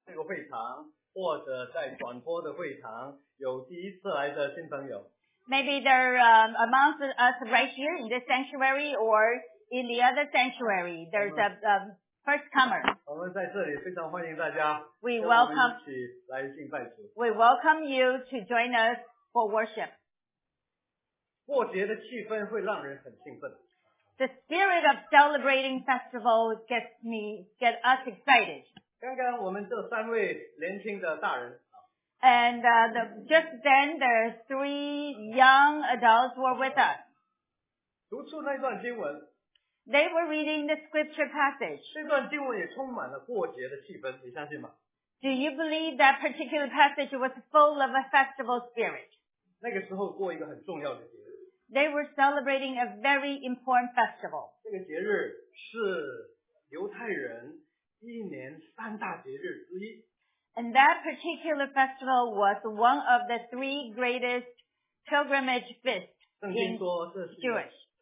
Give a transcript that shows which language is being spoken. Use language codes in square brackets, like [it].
[zh] 这个会堂，或者在广播的会堂，有第一次来的新朋友。 [en] Maybe they're amongst us right here in the sanctuary or in the other sanctuary. There's a first comer. [zh] 我们在这里非常欢迎大家。 [en] We welcome you to join us for worship. [zh] 过节的气氛会让人很兴奋。 [en] The spirit of celebrating festival gets us excited. [zh] 刚刚我们这三位年轻的大人。 [en] And just then, the three young adults were with us. [zh] 读出那段经文。 [en] They were reading the scripture passage. [zh] 这段经文也充满了过节的气氛，你相信吗？ [en] Do you believe that particular passage was full of a festival spirit? [zh] 那个时候过一个很重要的节日。 [en] They were celebrating a very important festival. [zh] 这个节日是犹太人一年三大节日之一。 [en] And that particular festival was one of the three greatest pilgrimage feasts in Jewish.